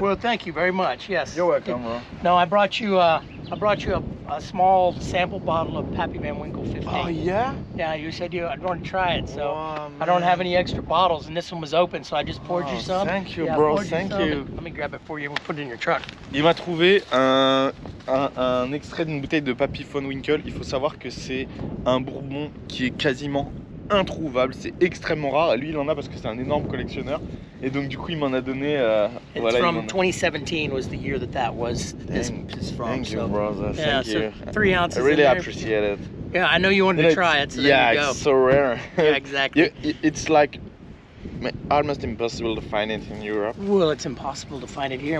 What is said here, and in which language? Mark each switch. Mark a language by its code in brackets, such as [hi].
[en] Well, thank you very much, yes. You're welcome. No, I brought you a small sample bottle of Pappy Van Winkle 15. Oh, yeah? Yeah, you said I'd want to try it, so I don't have any extra bottles, and this one was open, so I just poured you some. Thank you, bro, thank you. Let me grab it for you, we'll put it in your truck. [fr] Il m'a trouvé un extrait d'une bouteille de Pappy Van Winkle. Il faut savoir que c'est un bourbon qui est quasiment introuvable, c'est extrêmement rare. Lui, il en a parce que c'est un énorme collectionneur. Et donc, du coup, il m'en a donné. [en] It's voilà, from 2017 was the year that was. This is from. Thank you, brother. Yeah, thank you. So 3 ounces. I really appreciate it. Yeah, I know you wanted to try it. So yeah, there you go. It's so rare. Yeah, exactly. It's like almost impossible to find it in Europe. Well, it's impossible to find it here.